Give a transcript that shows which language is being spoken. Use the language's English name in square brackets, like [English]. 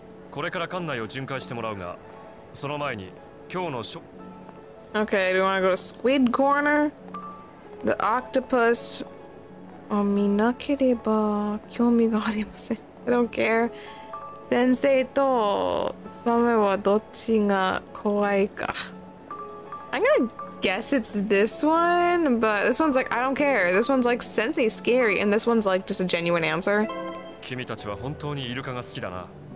[Japanese] これから館内を巡回してもらうが、その前に今日のショ。 [English] Okay, do you want to go to Squid Corner? The Octopus... [Japanese] 見なければ興味がありません。 [English] I don't care. [Japanese] 先生とサメはどっちが怖いか。 [English] I'm gonna guess it's this one, but this one's like, I don't care. This one's like, Sensei is scary, and this one's like, just a genuine answer. [Japanese] 君たちは本当にイルカが好きだな。